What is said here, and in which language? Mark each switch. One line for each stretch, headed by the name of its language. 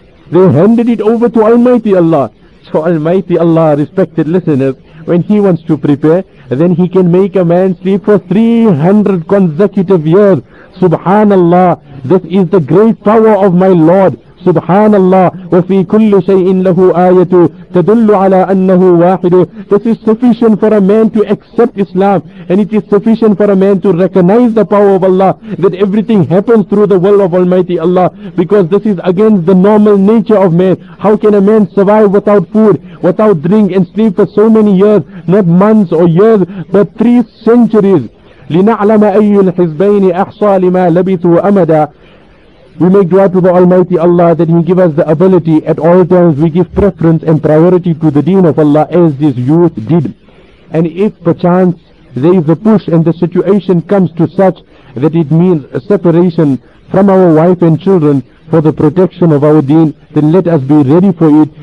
English: They handed it over to Almighty Allah. So Almighty Allah, respected listeners, when he wants to prepare, then he can make a man sleep for 300 consecutive years. Subhanallah, this is the great power of my Lord.
Arabic: سبحان الله وفي كل شيء له آية تدل على أنه واحد.
English: This is sufficient for a man to accept Islam, and it is sufficient for a man to recognize the power of Allah, that everything happens through the will of Almighty Allah, because this is against the normal nature of man. How can a man survive without food, without drink, and sleep for so many years? Not months or years, but 3 centuries.
Arabic: لنعلم أي الحزبين أحصى لما لبثوا أمدا.
English: We make dua to the Almighty Allah that He give us the ability at all times. We give preference and priority to the deen of Allah as this youth did. And if perchance there is a push and the situation comes to such that it means a separation from our wife and children for the protection of our deen, then let us be ready for it.